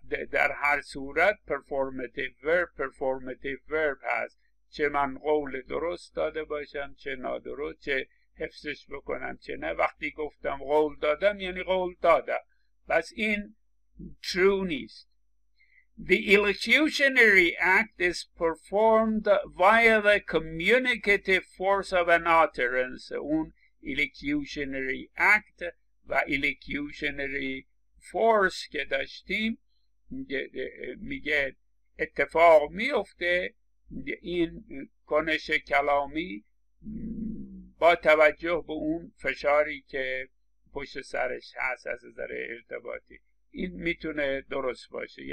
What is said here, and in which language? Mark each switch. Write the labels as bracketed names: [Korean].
[Persian] در هر صورت performative verb هست، چه من قول درست داده باشم چه نادرست، چه حفظش بکنم چه نه. وقتی گفتم قول دادم یعنی قول دادم، بس این true نیست. [English] The elocutionary act is performed via the communicative force of an utterance. [Persian] اون elocutionary act و elocutionary force که داشتیم میگه اتفاق میفته، این کنش کلامی با توجه به اون فشاری که پشت سرش هست از نظر ارتباطی، این میتونه درست باشه.